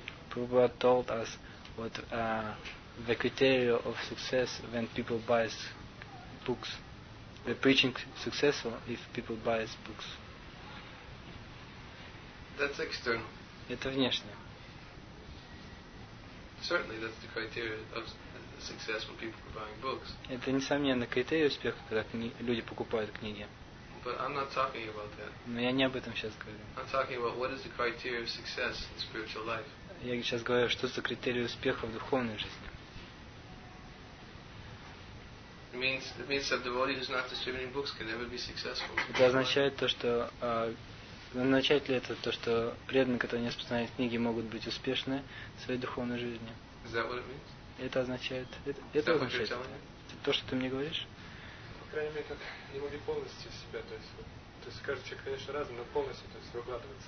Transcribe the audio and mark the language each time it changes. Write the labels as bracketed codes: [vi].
[en] Prabhupada told us what the criteria of success when people buy books. The preaching successful if people buy books. That's external. [ru] Это внешнее. [en] Certainly that's the criteria of success when people are buying books. [ru] Это несомненно критерий успеха, когда люди покупают книги. [en] But I'm not talking about that. [ru] Но я не об этом сейчас говорю. [en] I'm talking about what is the criteria of success in spiritual life. [ru] Я сейчас говорю, что за критерии успеха в духовной жизни. [en] It means that devotee who's not distributing books can never be successful. [ru] Это означает то, что означает ли это то, что преданные, которые не распространяют книги, могут быть успешны в своей духовной жизни? [en] Is that what it means? [ru] Это означает? Это означает? То, что ты мне говоришь? По крайней мере, как не могли полностью себя, то есть... То есть каждый человек, конечно, разный, но полностью, то есть, выкладывается.